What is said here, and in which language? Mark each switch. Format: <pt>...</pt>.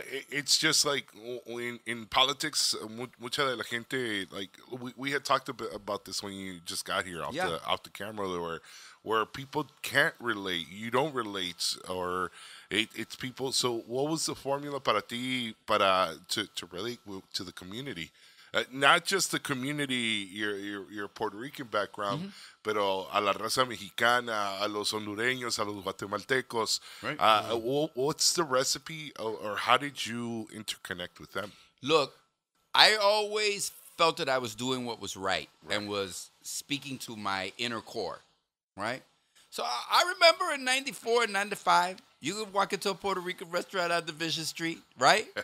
<en>It's just like in politics,</en> <es>mucha de la gente,</es> <en>like we had talked about this when you just got here off the camera, where people can't relate, you don't relate, or it's people. So what was the formula</en> <es>para ti</es> <en>to relate to the community? Not just the community, your Puerto Rican background, mm-hmm.</en> <es>pero a la raza mexicana, a los hondureños, a los guatemaltecos.</es> <en>Right. What's the recipe or how did you interconnect with them? Look, I always felt that I was doing what was right. And was speaking to my inner core, right? So I remember in 94 and 95, you could walk into a Puerto Rican restaurant on Division Street, right?</en>